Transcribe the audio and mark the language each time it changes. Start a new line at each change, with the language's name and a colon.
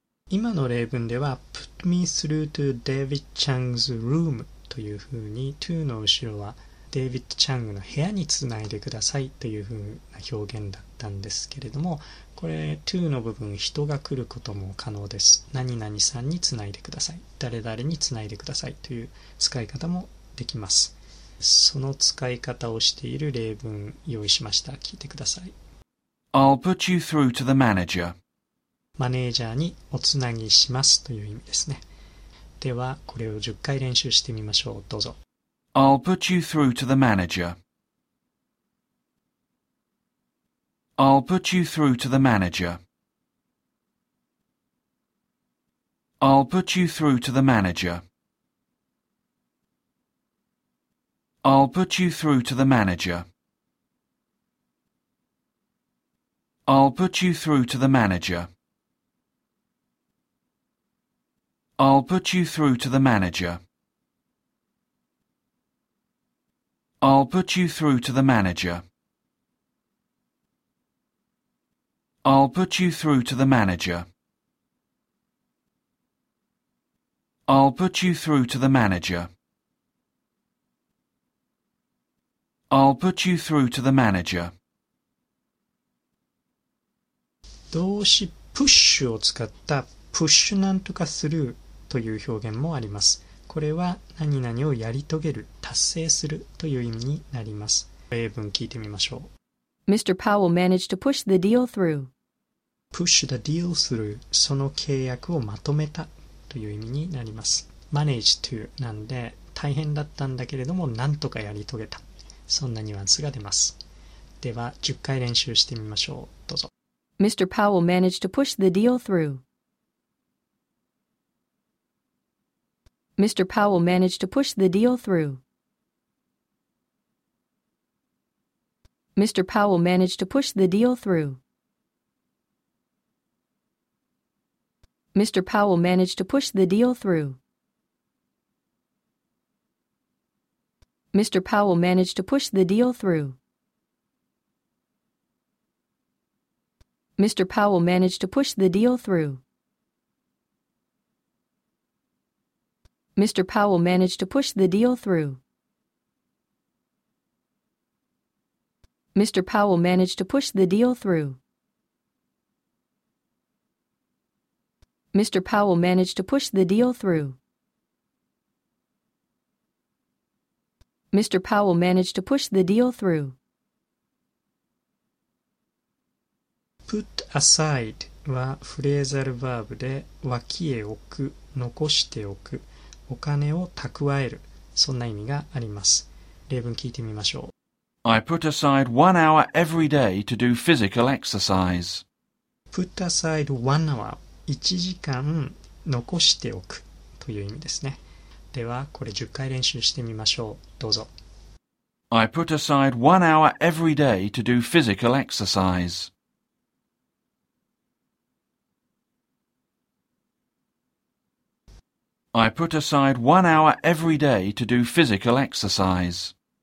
Japanese: 今の例文では
English: Put me through to David Chung's room
Japanese: というふうに to の後ろは David Chung の部屋につないでくださいというふうな表現だったんですけれども、これ to の部分人が来ることも可能です。何々さんにつないでください、誰々につないでくださいという使い方もできます。その使い方をしている例文用意しました。聞いてください。
English: I'll put you through to the manager.
Japanese: マネージャーにおつなぎしますという意味ですね。ではこれを10回練習してみましょう。どうぞ。
English: I'll put you through to the managerI'll put you through to the manager. I'll put you through to the manager. I'll put you through to the manager. I'll put you through to the manager. I'll put you through to the manager. I'll put you through to the manager. I'll put you through to the manager. I'll put you through to the manager. I'll put you through to the manager.
Japanese: 動詞 push を使った push なんとかするという表現もあります。これは何々をやり遂げる、達成するという意味になります。例文聞いてみましょう。
English: Mr. Powell managed to push the deal through. Push the deal through、
Japanese: その契約をまとめたという意味になります。 Manage to なんで大変だったんだけれどもなんとかやり遂げた、そんなニュアンスが出ます。では10回練習してみましょう。どうぞ。
English: Mr. Powell managed to push the deal through. Mr. Powell managed to push the deal through. Mr. Powell managed to push the deal throughMr. Powell managed to push the deal through. Mr. Powell managed to push the deal through. Mr. Powell managed to push the deal through. Mr. Powell managed to push the deal through. Mr. Powell managed to push the deal through. Mr. Powell managed to push the deal through. Mr. Powell managed to push the deal through.
Japanese: Put aside はフレーザルバーブで脇へ置く、残しておく、お金を蓄える、そんな意味があります。例文聞いてみましょう。
English: I put aside 1 hour every day to do physical exercise. Put aside 1 hour,
Japanese: 1時間残しておくという意味ですね。ではこれ10回練習してみましょう。どうぞ。
English: I put aside 1 hour every day to do physical exercise. I put aside 1 hour every day to do physical exercise.